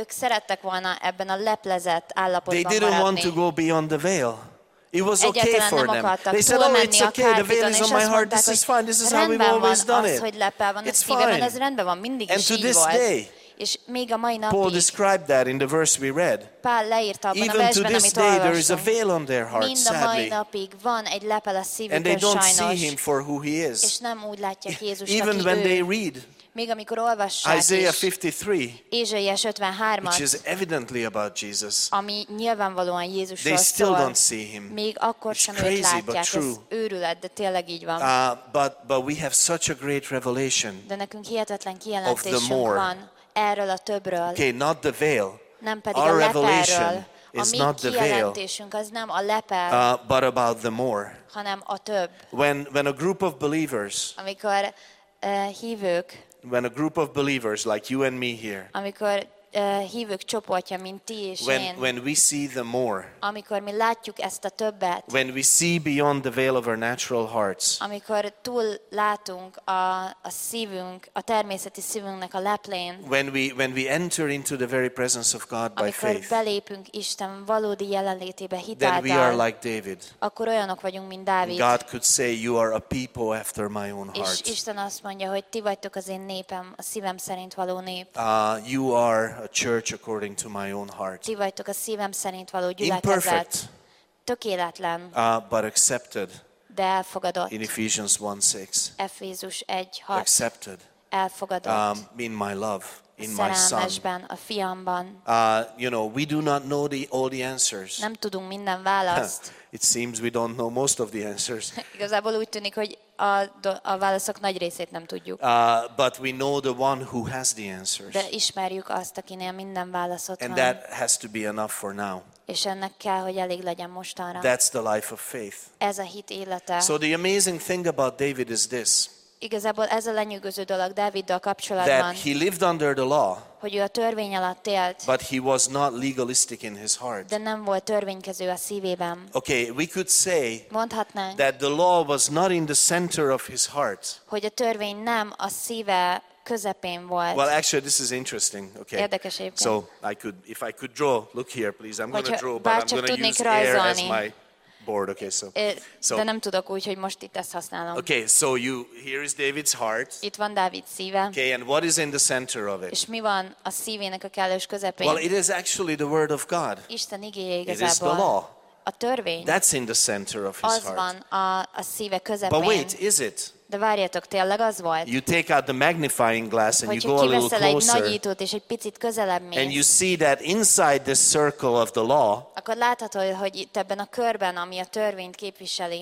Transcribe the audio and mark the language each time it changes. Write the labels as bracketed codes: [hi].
[hu] Ők szerettek volna ebben a leplezett állapotban maradni. [en] They didn't want to go beyond the veil. It was okay for them. They said, oh, it's okay, the veil is on my heart, this is fine, this is how we've always done it. It's fine. And to this day, [hu] és még a mai napig, [en] Paul described that in the verse we read. [hu] Pál leírta abban [en] even [hu] a versben, [en] to this [hu] amit [en] day there is a veil on their hearts, [hu] mind a mai napig van egy lepel a szívükön, [en] and they don't [hu] sajnos, [en] see him for who he is. [hu] És nem úgy látják Jézust, [en] even [hu] aki [en] when [hu] ő, [en] they read [hu] még amikor olvassák [en] Isaiah 53, [hu] Ézsaiás 53-at, [en] which is evidently about Jesus, [hu] ami nyilvánvalóan Jézusról szól, [en] they still don't see him. [hu] Még akkor [en] it's [hu] sem [en] crazy, [hu] őt látják, ez őrület, de tényleg így van. [en] But we have such a great revelation, [hu] de nekünk hihetetlen kijelentésünk van erről a többről. [en] Okay, not the veil. [hu] Nem pedig [en] our [hu] a lepelről. [en] Is [hu] a [en] mi not the [hu] kijelentésünk [en] veil, [hu] az nem a lepel, [en] but about the more. [hu] Hanem a több. [en] When a group of believers, [hu] amikor hívők, [en] when a group of believers like you and me here, [hu] amikor hívők csoportja, mint ti és [en] when, [hu] én, [en] when we see the more, [hu] amikor mi látjuk ezt a többet, [en] when we see beyond the veil of our natural hearts, [hu] amikor túl látunk a szívünk, a természeti szívünknek a leplén, [en] when we enter into the very presence of God by [hu] amikor [en] faith, [hu] belépünk Isten valódi jelenlétébe hitáltal, [en] then we are like David. [hu] Akkor olyanok vagyunk, mint Dávid. [en] God could say, you are a people after my own heart. [hu] És Isten azt mondja, hogy ti vagytok az én népem, a szívem szerint való nép. [en] You are a church according to my own heart. [hu] Ti vagytok a szívem szerint való gyülekezet. [en] Imperfect. [hu] Tökéletlen. [en] But accepted. [hu] De elfogadott. [en] In Ephesians 1:6. [hu] Efézus 1:6. [en] Accepted. [hu] Elfogadott. [en] In my love, in [hu] a [en] my son. [hu] Ben, a fiamban. [en] You know, we do not know all the answers. [hu] Nem tudunk minden választ. [en] It seems we don't know most of the answers. [hu] Igazából úgy tűnik, hogy a válaszok nagy részét nem tudjuk. [en] But we know the one who has the answers. [hu] De ismerjük azt, akinél minden válasz ott van. [en] And that has to be enough for now. [hu] És ennek kell, hogy elég legyen mostanra. [en] That's the life of faith. [hu] Ez a hit élete. [en] So the amazing thing about David is this. [hu] Igazából ez a lenyűgöző dolog Dáviddal kapcsolatban. [en] That he lived under the law. [hu] Hogy ő a törvény alatt élt. [en] But he was not legalistic in his heart. [hu] De nem volt törvénykező a szívében. [en] Okay, we could say, [hu] mondhatnánk, [en] that the law was not in the center of his heart. [hu] Hogy a törvény nem a szíve közepén volt. [en] Well, actually, this is interesting. Okay. [hu] Érdekes egyébként. [en] So, if I could draw, look here, please. I'm going to draw, but I'm going to use [hu] rajzolni [en] air as my board. Okay, so [hu] de nem tudok úgy, hogy most itt ezt használom. [en] Okay, so you here is David's heart. [hu] Itt van Dávid szíve. [en] Okay, and what is in the center of it? [hu] És mi van a szívének a kellős közepén? [en] Well, it is actually the word of God. [hu] Isten igéje igazából. [en] It is the law. [hu] A törvény. [en] That's in the center of his [hu] az [en] heart. [hu] Az van a szíve közepén. [en] But wait, is it? [hu] De várjatok, tényleg az volt? [en] You take out the magnifying glass and you go a little closer. [hu] Hogyha kiveszel egy nagyítót és egy picit közelebb mész. [en] And you see that inside this circle of the law. [hu] Akkor láthatod, hogy itt ebben a körben, ami a törvényt képviseli.